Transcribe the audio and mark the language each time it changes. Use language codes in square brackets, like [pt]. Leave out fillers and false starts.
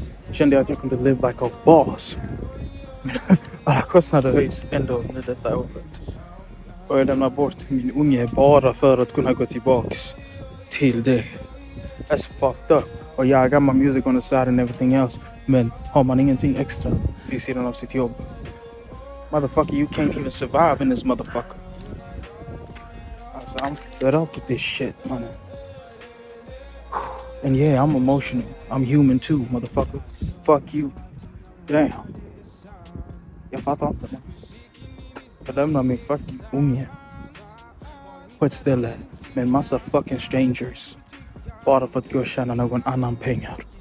[sv] Kände jag att jag kunde [en] live like a boss. [sv] Alla kostnader höjs ändå nu detta året. Och jag lämnar bort min unge bara för att kunna gå tillbaks till det. [en] That's fucked up. [sv] Och jag har gammal music [en] on the side and everything else. [sv] Men har man ingenting extra vid sidan av sitt jobb? [en] Motherfucker, you can't even survive in this motherfucker. Alltså, I'm fed up with this shit, man. And yeah, I'm emotional. I'm human too, motherfucker. Fuck you. Damn. [sv] Jag fattar inte, man. Jag lämnar min fucking unge på ett ställe med en massa fucking strangers bara för att gå och tjäna någon annan pengar.